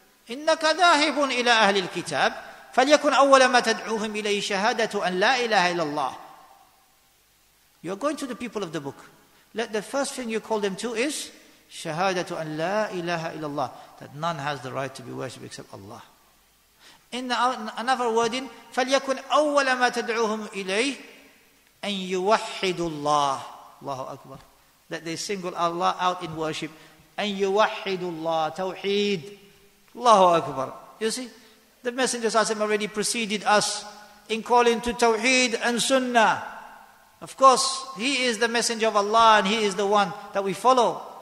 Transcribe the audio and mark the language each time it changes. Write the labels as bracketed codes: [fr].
[ar] إِنَّكَ ذَاهِبٌ إِلَىٰ أَهْلِ الْكِتَابِ فَلْيَكُنْ أَوَّلَ مَا تَدْعُوهِمْ إِلَيْهِ شَهَادَةُ أَنْ لَا إِلَهَ إِلَى اللَّهِ. [en] You're going to the people of the book. Let the first thing you call them to is [ar] شَهَادَةُ أَنْ لَا إِلَهَ إِلَى اللَّهِ. [en] That none has the right to be worshipped except Allah. In another wording, [ar] فَلْيَكُنْ أَوَّلَ مَا تَدْعُوهُمْ إِلَيْهِ أَنْ يُوَحِّدُ اللَّهِ. Allahu Akbar. [en] That they single Allah out in worship. [ar] أَنْ يُوَحِّدُ اللَّهِ. Tawheed. Allahu Akbar. [en] You see, the Messenger already preceded us in calling to Tawheed and Sunnah. Of course, he is the Messenger of Allah and he is the one that we follow.